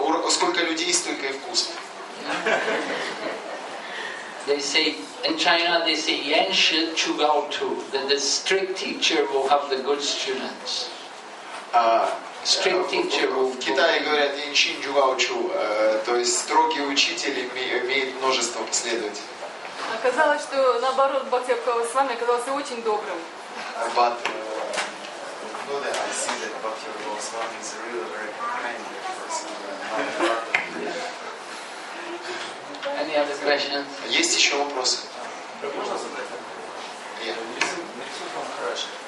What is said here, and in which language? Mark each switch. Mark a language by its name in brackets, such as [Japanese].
[Russian] Сколько людей, столько и вкус. [English] They say in China they say [Chinese] Yanshi Chugao Tu, [English] that the strict teacher will have the good students. Strict teacher will. [Russian] В Китае говорят [Chinese] Yanshi Chugao Tu, [Russian] то есть строгий учитель имеет множество последователей. Оказалось, что наоборот, Бхакти Бхагаватам оказался очень добрым. [English] But no, I see that Bhakti Bhagavatam is a really very kind person. Any other questions? [Russian] Есть еще вопросы? Можно задать? [English] Yeah. Listen from Harsh.